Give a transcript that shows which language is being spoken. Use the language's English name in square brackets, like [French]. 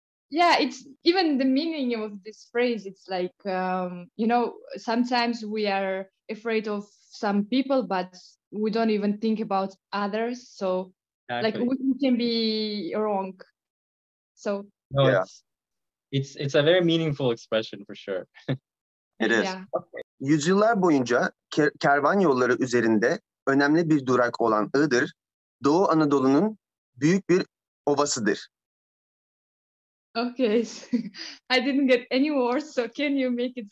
[English] Yeah, it's even the meaning of this phrase. It's like you know, sometimes we are afraid of some people, but we don't even think about others. So, exactly. Like we can be wrong. So. No, yeah. It's a very meaningful expression for sure. It is. [Turkish] Yüzyıllar boyunca kervan yolları üzerinde önemli bir durak olan Iğdır, Doğu Anadolu'nun büyük bir ovasıdır. [English] Okay. I didn't get any words, so can you make it